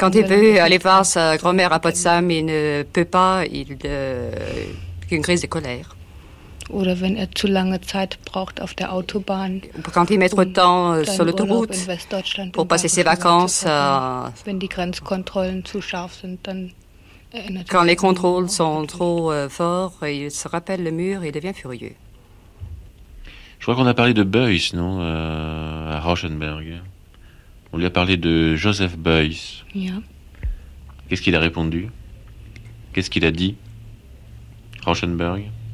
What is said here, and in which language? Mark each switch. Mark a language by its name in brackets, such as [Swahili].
[French] Quand il veut aller voir sa grand-mère à Potsdam, il ne peut pas, il a une crise de colère. [German] Oder wenn er zu lange Zeit braucht auf der Autobahn. [French] Quand il met trop de temps sur l'autoroute pour passer ses vacances. [German] Wenn die Grenzkontrollen zu scharf sind, dann erinnert. [French] Quand les contrôles sont trop forts, il se rappelle le mur et devient furieux. Je crois qu'on a parlé de Beuys, non, à Rauschenberg. On lui a parlé de Joseph Beuys. [English] Yeah. [French] Qu'est-ce qu'il a répondu? Qu'est-ce qu'il a dit? Rauschenberg.